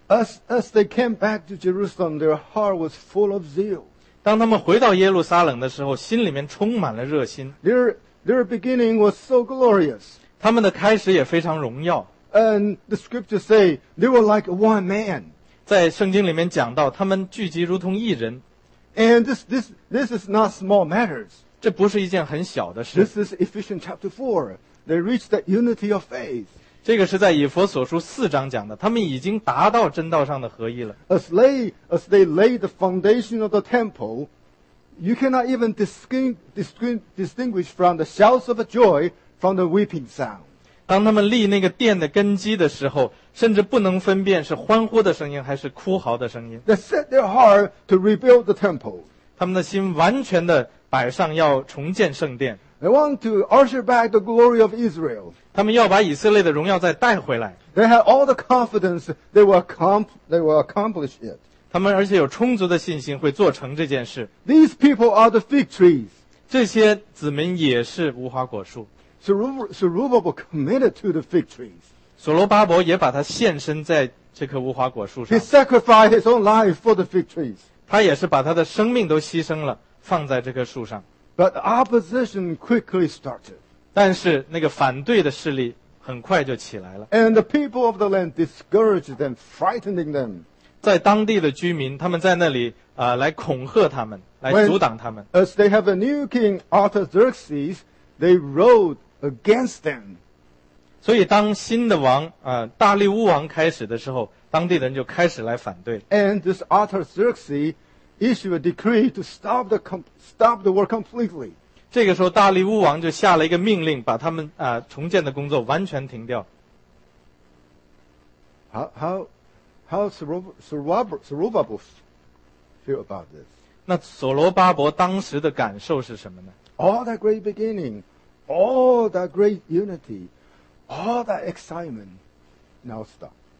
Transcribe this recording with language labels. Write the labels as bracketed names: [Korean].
[English] As they came back to Jerusalem, their heart was full of zeal. [Chinese] 当他们回到耶路撒冷的时候，心里面充满了热心。 [English] Their beginning was so glorious. [Chinese] 他们的开始也非常荣耀。 [English] And the scriptures say they were like one man. [Chinese] 在圣经里面讲到，他们聚集如同一人。 [English] And this is not small matters. [Chinese] 这不是一件很小的事。 [English] This is Ephesians chapter 4. They reached the unity of faith. [Chinese] 这个是在以弗所书四章讲的，他们已经达到真道上的合一了。 [English] As they laid the foundation of the temple. You cannot even distinguish from the shouts of joy from the weeping sound. [Chinese] 当他们立那个殿的根基的时候，甚至不能分辨是欢呼的声音还是哭嚎的声音。 [English] They set their heart to rebuild the temple. [Chinese] 他们的心完全的摆上要重建圣殿。 [English] They want to usher back the glory of Israel. [Chinese] 他们要把以色列的荣耀再带回来。 [English] They had all the confidence they will accomplish it. [Chinese] 他们而且有充足的信心会做成这件事。 [English] These people are the fig trees. [Chinese] 这些子民也是无花果树。 [English] Zerubbabel committed to the fig trees. [Chinese] 所罗巴伯也把他献身在这棵无花果树上。 [English] He sacrificed his own life for the fig trees. [Chinese] 他也是把他的生命都牺牲了，放在这棵树上。 [English] But opposition quickly started. [Chinese] 但是那个反对的势力很快就起来了。 [English] And the people of the land discouraged them, frightening them. [Chinese] 在当地的居民，他们在那里来恐吓他们，来阻挡他们。 [English] As they have a new king Artaxerxes, they rode against them. [Chinese] 所以，当新的王大力乌王开始的时候，当地的人就开始来反对。 [English] And this Artaxerxes issued a decree to stop the war completely. [Chinese] 这个时候，大力乌王就下了一个命令，把他们重建的工作完全停掉。 [English] How Zerubbabel feel about this? [Chinese] 那所罗巴伯当时的感受是什么呢？ [English] All that great beginning, all that great unity, all that excitement, now stop.